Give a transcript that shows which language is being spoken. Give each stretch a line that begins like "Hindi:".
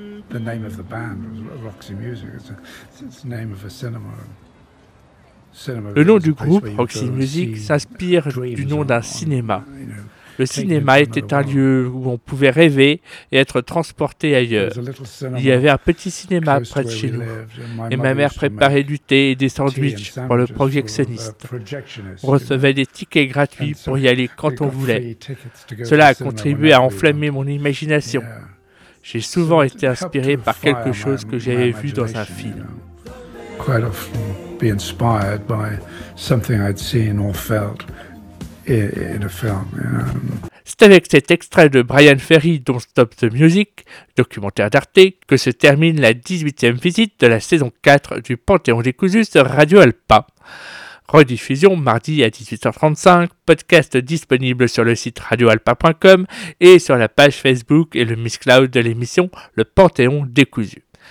English: The name of the band was Roxy Music. It's the name of a cinema.
French: Le nom du groupe, Roxy Music, s'inspire du nom d'un cinéma. Le cinéma était un lieu où on pouvait rêver et être transporté ailleurs. Il y avait un petit cinéma près de chez nous, et ma mère préparait du thé et des sandwichs pour le projectionniste. On recevait des tickets gratuits pour y aller quand on voulait. Cela a contribué à enflammer mon imagination. J'ai souvent été inspiré par quelque chose que j'avais vu dans un film.
English: Quite often be inspired by something I'd seen or felt in a film.
French: C'est avec cet extrait de Brian Ferry, Don't Stop the Music, documentaire d'Arte, que se termine la 18e visite de la saison 4 du Panthéon des Cousus de Radio Alpa. Rediffusion mardi à 18h35, podcast disponible sur le site radioalpa.com et sur la page Facebook et le Miss Cloud de l'émission Le Panthéon Décousu.